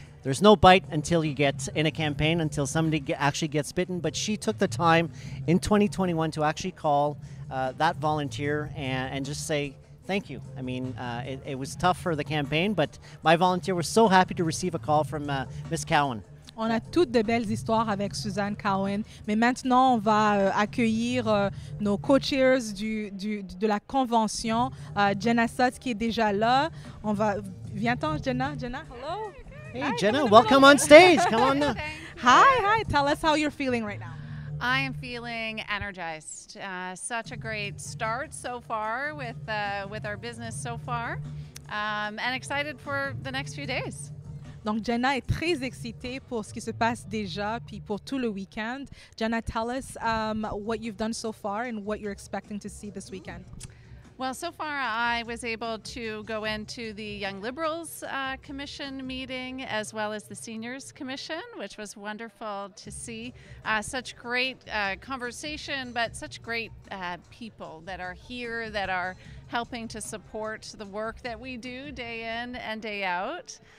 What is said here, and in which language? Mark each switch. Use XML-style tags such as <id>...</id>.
<en>There's no bite until you get in a campaign, until somebody actually gets bitten. But she took the time in 2021 to actually call that volunteer and just say, thank you. I mean, it was tough for the campaign, but my volunteer was so happy to receive a call from Ms. Cowan.</en> <fr>On a toutes de belles histoires avec Suzanne Cowan, mais maintenant on va accueillir nos co-chairs de la convention. Jenna Sutz qui est déjà là. On va viens-t'en, Jenna. Jenna, hello.</fr> <en>Hey, Jenna, welcome on stage. Come on. Hi. Tell us how you're feeling right now. I am feeling energized. Such a great start so far with our business so far, and excited for the next few days.</en> <fr>Donc Jenna est très excitée pour ce qui se passe déjà puis pour tout le weekend.</fr> <en>Jenna, tell us what you've done so far and what you're expecting to see this weekend. Well, so far I was able to go into the Young Liberals Commission meeting as well as the Seniors Commission, which was wonderful to see. Such great conversation, but such great people that are here that are helping to support the work that we do day in and day out.</en>